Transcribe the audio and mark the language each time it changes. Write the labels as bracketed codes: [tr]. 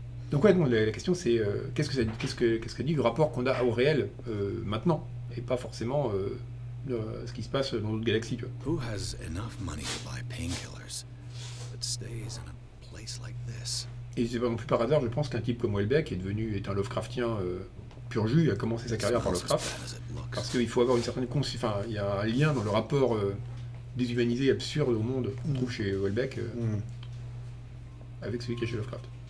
[fr] Donc ouais, non, la question c'est qu'est-ce que dit le rapport qu'on a au réel maintenant et pas forcément ce qui se passe dans d'autres galaxies, tu vois. [en] Who has enough money to buy painkillers but stays in a place like this? [fr] Et c'est pas non plus par hasard, je pense qu'un type comme Houellebecq est un Lovecraftien pur jus, a commencé sa carrière par Lovecraft parce qu'il faut avoir une certaine il y a un lien dans le rapport déshumanisé et absurde au monde qu'on trouve chez Houellebecq avec celui qui est chez Lovecraft.